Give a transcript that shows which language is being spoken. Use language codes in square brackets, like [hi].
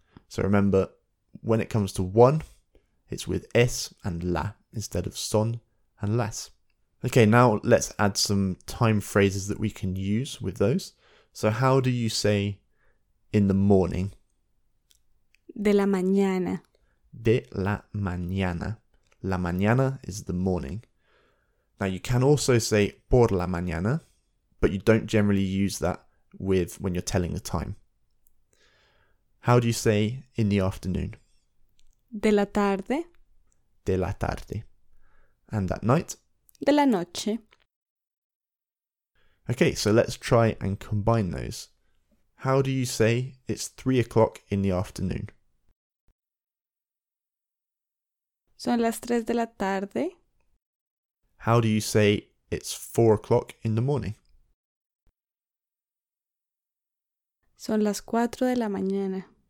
[en] So remember, when it comes to one, it's with es and la, instead of son and las. Okay, now let's add some time phrases that we can use with those. So how do you say in the morning? [es] De la mañana. De la mañana. La mañana [en] is the morning. Now, you can also say [es] por la mañana, [en] but you don't generally use that with when you're telling the time. How do you say in the afternoon? [es] De la tarde. De la tarde. [en] And at night? [es] De la noche. [en] Okay, so let's try and combine those. How do you say it's 3 o'clock in the afternoon? [es] Son las tres de la tarde. [en] How do you say it's 4 o'clock in the morning? [es] Son las cuatro de la mañana.